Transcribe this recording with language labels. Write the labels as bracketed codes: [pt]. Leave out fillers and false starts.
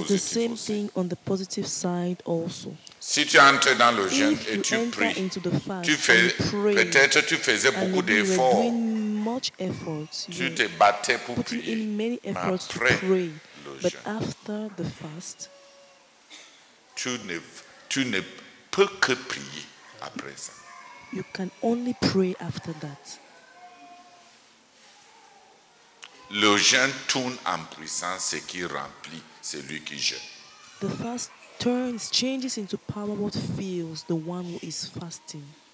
[en] It is the same thing on the positive side also. [fr] Si tu entres dans le jeûne et tu pries, tu fais peut-être tu faisais beaucoup d'efforts. [en] You were doing much effort. [fr] Tu te battais pour prier. [en] Putting in many efforts to pray. But after the fast, [fr] tu ne peux que prier après ça. [en] You can only pray after that. [fr] Le jeûne tourne en puissance ce qui remplit celui qui jeûne. [en] The fast changes into power what fills the one who is fasting.